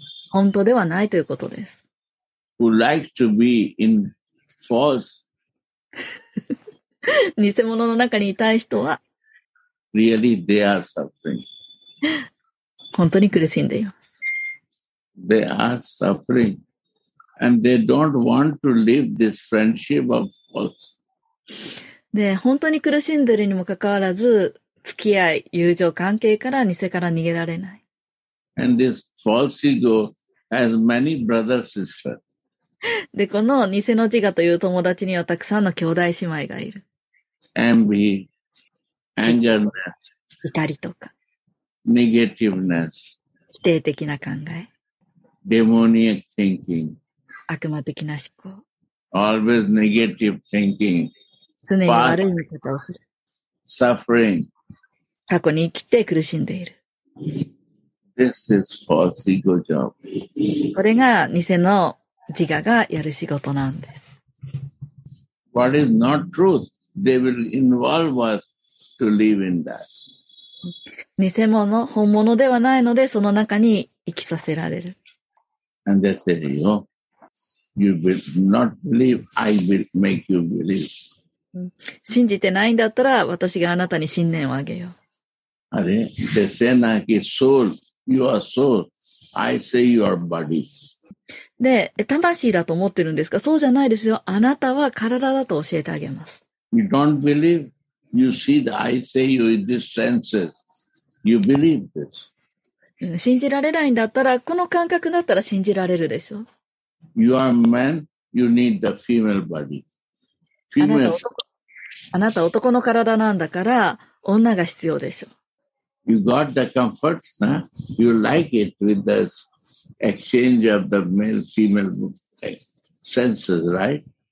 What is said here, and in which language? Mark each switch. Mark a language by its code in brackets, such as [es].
[ja] 本当ではないということです。 [en] Who likes to be in false? [ja] 偽物の中にいたい人は、 [en] Really, they are suffering. [ja] 本当に苦しんでいます。 [en] They are suffering. And they don't want to leave this friendship of false. [ja] で、本当に苦しんでるにもかかわらず、付き合い、友情関係から偽から逃げられない。 [en] And this false ego has many brothers and sisters. [ja] で、この偽の自我という友達にはたくさんの兄弟姉妹がいる。 [en] Envy, anger, [ja] 怒りとか。 [en] Negativeness. [ja] 否定的な考え。 [en] Demoniac thinking. [ja] 悪魔的な思考。 [en] Always negative thinking. [ja] 常に悪い見方をする。 [en] Suffering. [ja] 過去に生きて苦しんでいる。 [en] This is false ego job. [ja] これが偽の自我がやる仕事なんです。 [en] What is not truth, they will involve us to live in that. [ja] 偽物、本物ではないので、その中に生きさせられる。 [en] And they say, you know, you will not believe, I will make you believe. [ja] 信じてないんだったら私があなたに信念をあげよう。あれ、で、せなき、 [en] soul, you are soul, I say you are body. [ja] で、魂だと思ってるんですか？そうじゃないですよ。あなたは体だと教えてあげます。 [en] You don't believe, you see the I say you in this senses. You believe this. [ja] 信じられないんだったら、この感覚だったら信じられるでしょ。 [en] You are man, you need the female body. [ja] あなた男の体なんだから女が必要でしょう。 [en] You got the comfort, huh? You like it with the exchange of the male female senses, right?